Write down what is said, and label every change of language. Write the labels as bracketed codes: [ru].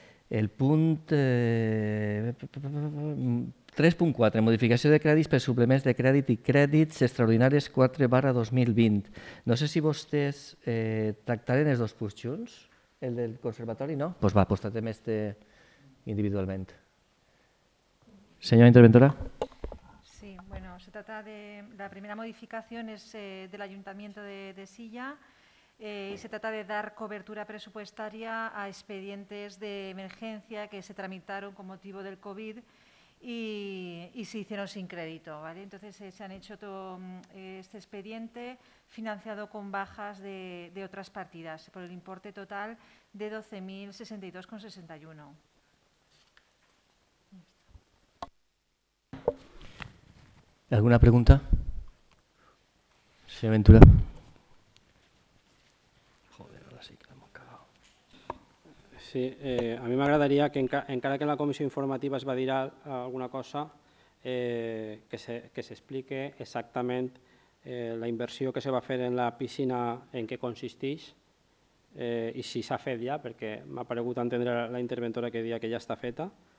[ca] El punt 3.4, modificació de crèdits per suplements de crèdit i crèdits extraordinaris 4/2020. No sé si vostès tractaren els dos punts junts, el del conservatori, no? Doncs pues va, pues tractem este individualment. Senyora interventora. [es] Sí, bueno, se trata de la primera modificación es del Ayuntamiento de Silla y se trata de dar cobertura presupuestaria a expedientes de emergencia que se tramitaron con motivo del COVID y se hicieron sin crédito, ¿vale? Entonces se han hecho todo este expediente financiado con bajas de otras partidas por el importe total de 12.062,61. ¿Alguna pregunta? Señor Ventura. Joder, ahora sí que la hemos cagado. Sí, a mí me agradaría que [ca] encara que en la comissió informativa es va dir alguna cosa, que s'explique exactament la inversió que se va fer en la piscina, en què consisteix, i si s'ha fet ja, perquè m'ha paregut entendre la interventora que deia que ja està feta.